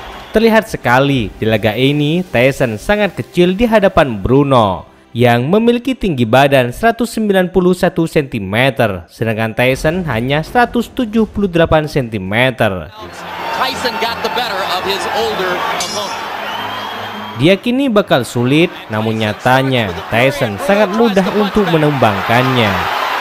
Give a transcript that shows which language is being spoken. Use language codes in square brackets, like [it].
[id] Terlihat sekali di laga ini Tyson sangat kecil di hadapan Bruno yang memiliki tinggi badan 191 cm sedangkan Tyson hanya 178 cm. [en] Tyson got the better of his older opponent. [id] Diyakini bakal sulit, namun nyatanya Tyson sangat mudah untuk menumbangkannya.